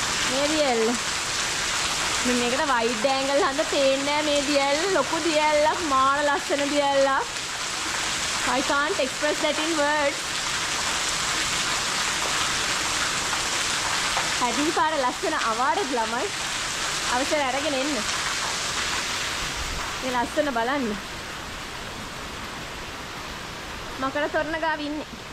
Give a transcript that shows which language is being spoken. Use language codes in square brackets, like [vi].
[si] මේ දියල්ල. මම මේකට වයිඩ් ඇන්ගල් හන්ද පේන්නේ නැහැ. මේ දියල්ල ලොකු දියල්ලක්, මාන ලස්සන දියල්ලක්. [en] I can't express that in words. [si] හැදින් පාර ලස්සන අවාරේ ළමයි අවසර අරගෙන එන්න. මේ ලස්සන බලන්න. මකර තොරණ ගාව ඉන්නේ.